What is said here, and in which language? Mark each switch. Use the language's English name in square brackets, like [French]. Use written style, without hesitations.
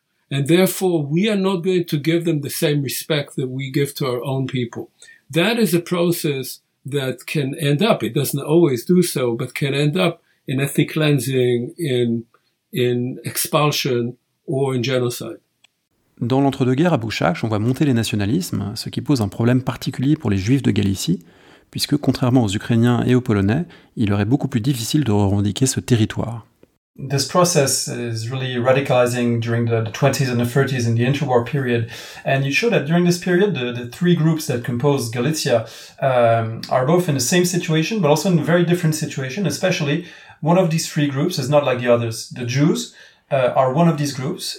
[English] And therefore, we are not going to give them the same respect that we give to our own people. That is a process that can end up, it doesn't always do so, but can end up in ethnic cleansing, in expulsion, or in genocide. [French] Dans l'entre-deux-guerres à Buchaç, on voit monter les nationalismes, ce qui pose un problème particulier pour les Juifs de Galicie, puisque contrairement aux Ukrainiens et aux Polonais, il leur est beaucoup plus difficile de revendiquer ce territoire. [English] This process is really radicalizing during the 20s and the 30s in the interwar period. And you show that during this period, the three groups that compose Galicia are both in the same situation, but also in a very different situation. Especially, one of these three groups is not like the others. The Jews are one of these groups.